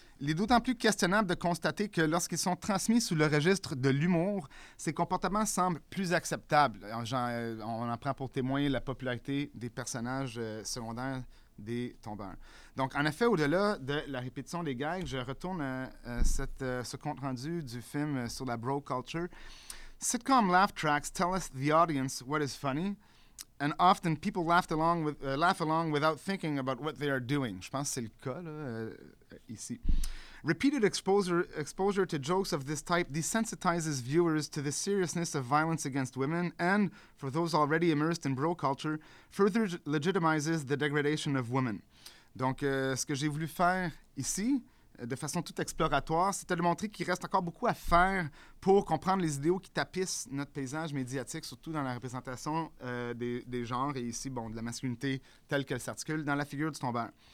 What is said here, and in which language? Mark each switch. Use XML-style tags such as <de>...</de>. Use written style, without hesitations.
<fr>Il est d'autant plus questionnable de constater que lorsqu'ils sont transmis sous le registre de l'humour, ses comportements semblent plus acceptables. On en prend pour témoin la popularité des personnages secondaires des tombeurs. Donc, en effet, au-delà de la répétition des gags, je retourne à ce compte-rendu du film sur la bro culture.</fr> <en>Sitcom laugh tracks tell us the audience what is funny, and often people laugh along without thinking about what they are doing.</en> <fr>Je pense que c'est le cas là, ici.</fr> <en>Repeated exposure to jokes of this type desensitizes viewers to the seriousness of violence against women, and for those already immersed in bro culture, further legitimizes the degradation of women.</en> <fr>Donc, ce que j'ai voulu faire ici, de façon toute exploratoire, c'était de montrer qu'il reste encore beaucoup à faire pour comprendre les idéaux qui tapissent notre paysage médiatique, surtout dans la représentation des genres et ici, bon, de la masculinité telle qu'elle s'articule dans la figure du tombeur.</fr>